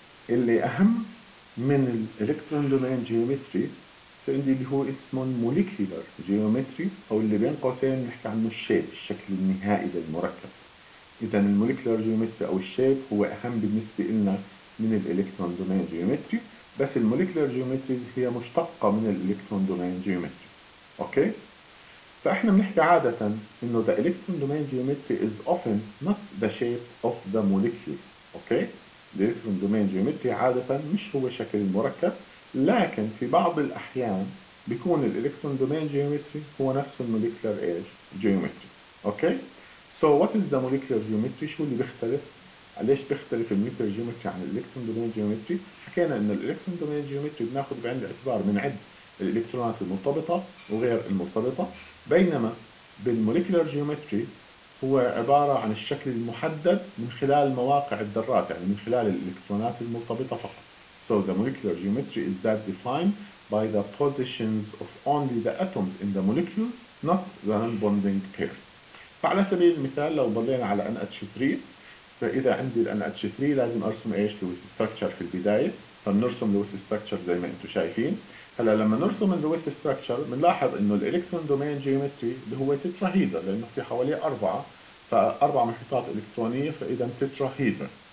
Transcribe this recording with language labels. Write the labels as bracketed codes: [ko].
[ar] اللي اهم من الالكترون دومين جيومتري في عندي اللي هو اسمه موليكيولر جيومتري، او اللي بين قوسين نحكي عنه الشيب، الشكل النهائي للمركب. اذا الموليكيولر جيومتري او الشيب هو اهم بالنسبة لنا من الالكترون دومين جيومتري، بس الموليكيولر جيومتري هي مشتقة من الالكترون دومين جيومتري. اوكي، فإحنا بنحكي عادة إنه [en] the electron domain geometry is often not the shape of the molecule. [ar] أوكي؟ the electron domain geometry عادة مش هو شكل المركب، لكن في بعض الأحيان بيكون the electron domain geometry هو نفس molecular geometry. أوكي؟ [en] so what is the molecular geometry؟ [ar] شو اللي بيختلف؟ ليش بيختلف molecular geometry عن the electron domain geometry؟ حكينا إن the electron domain geometry بناخد بعين الاعتبار من عد الإلكترونات المرتبطة وغير المرتبطة، بينما بالموليكيولر جيومتري هو عبارة عن الشكل المحدد من خلال مواقع الذرات، يعني من خلال الإلكترونات المرتبطة فقط. [en] So the molecular geometry is that defined by the positions of only the atoms in the molecule, not the non-bonding pair. [ar] فعلى سبيل المثال لو ضلينا على NH3، فإذا عندي الـ NH3 لازم أرسم إيش؟ Lewis structure في البداية، فبنرسم Lewis structure زي ما أنتم شايفين. هلا لما نرسم الـ Lewis structure بنلاحظ إنه الإلكترون دومين جيومتري اللي هو تتراهيدا، لأنه في حواليه أربعة، فأربع محيطات إلكترونية، فإذا تتراهيدا.